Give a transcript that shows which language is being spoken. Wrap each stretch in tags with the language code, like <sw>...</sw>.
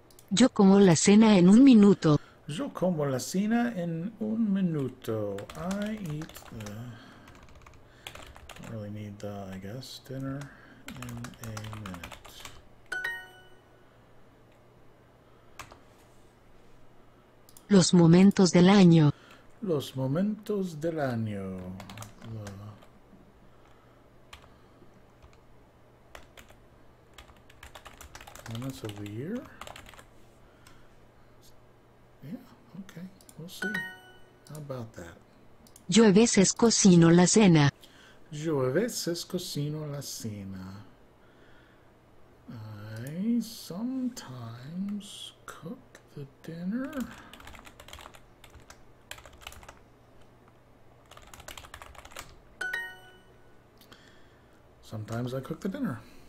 <es>Yo como la cena en un minuto. Yo como la cena en un minuto.</es> <en>I eat the, don't really need the, I guess, dinner in a minute.</en> <es>Los momentos del año. Los momentos del año.</es> <en>The moments of the year. Yeah, okay, we'll see. How about that?</en> <es>Yo a veces cocino la cena. Yo a veces cocino la cena.</es> <en>I sometimes cook the dinner. Sometimes I cook the dinner.</en>